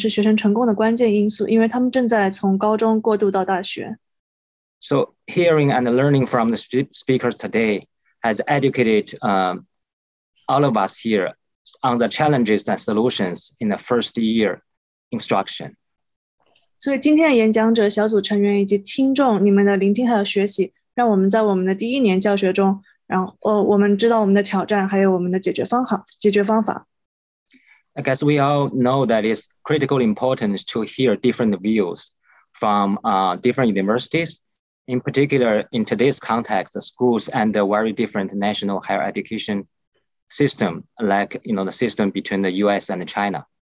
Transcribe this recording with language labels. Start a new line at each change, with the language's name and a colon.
Chinese: 教授大学一年级课程是学生成功的关键因素, 因为他们正在从高中过渡到大学。
English: So hearing and learning from the speakers today has educated all of us here on the challenges and solutions in the first year instruction.
Chinese: 所以今天的演讲者、小组成员以及听众，你们的聆听还有学习， 让我们在我们的第一年教学中， 然后我们知道我们的挑战，还有我们的解决方法。
English: I guess we all know that it's critically important to hear different views from different universities. In particular, in today's context, the schools and the very different national higher education system, like you know, the system between the US and China.